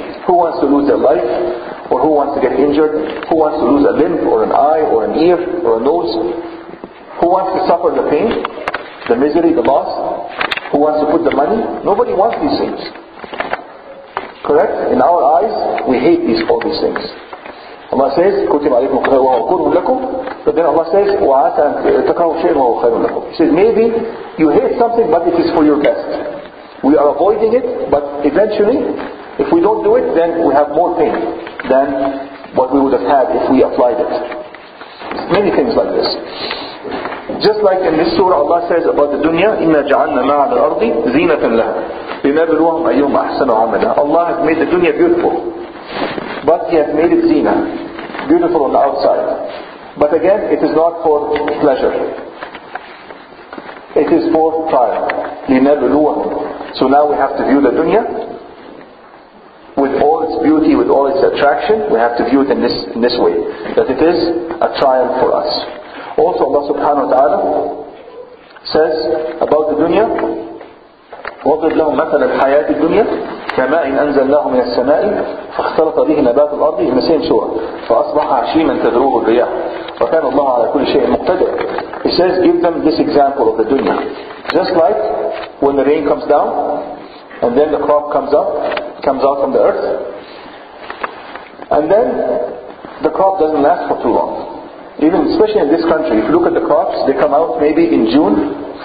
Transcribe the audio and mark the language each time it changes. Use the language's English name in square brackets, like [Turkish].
[English] Who wants to lose their life? Or who wants to get injured? Who wants to lose a limb or an eye or an ear or a nose? Who wants to suffer the pain, the misery, the loss? Who wants to put the money? Nobody wants these things. Correct? In our eyes, we hate all these things. Allah says, [Arabic] كُتِبَ عَلَيْكُمُ الْقِتَالُ وَهُوَ كُرْهٌ لَكُمْ. [English] But then Allah says, [Arabic] وَعَسَىٰ أَن تَكْرَهُوا شَيْئًا وَهُوَ خَيْرٌ لَكُمْ. [English] He says, maybe you hate something, but it is for your best. We are avoiding it, but eventually, if we don't do it, then we have more pain than what we would have had if we applied it. Many things like this. Just like in this surah, Allah says about the dunya, [Arabic] إِنَّا جَعَلْنَا مَعَ الْأَرْضِ زِينَةً لَهَا لِنَبْلُوَهُمْ أَيُّهُمْ أَحْسَنُ عَمَلًا. [English] Allah has made the dunya beautiful, but He has made it zina, beautiful on the outside. But again, it is not for pleasure. It is for trial. [Arabic] لِنَبْلُوَهُمْ. [English] So now we have to view the dunya with all its beauty, with all its attraction. We have to view it in this way, that it is a trial for us. Also Allah subhanahu wa ta'ala says about the dunya, [Arabic] وَضْرِبْ لَهُمْ مَثَلَ الْحَيَاةِ الدُّنْيَا كَمَاءٍ أَنْزَلْنَاهُ مِنَ السَّمَاءِ فَاخْتَلَطَ بِهِ نَبَاتُ الْأَرْضِ. [English] In the same surah, [Arabic] فَأَصْبَحَ عَشِيمًا تَذْرُوهُ الرِّيَاحُ وَكَانَ اللَّهُ عَلَى كُلِّ شَيْءٍ مُقْتَدِرًا. [English] He says, give them this example of the dunya. Just like when the rain comes down and then the crop comes out from the earth, and then the crop doesn't last for too long. Even especially in this country, if you look at the crops, they come out maybe in June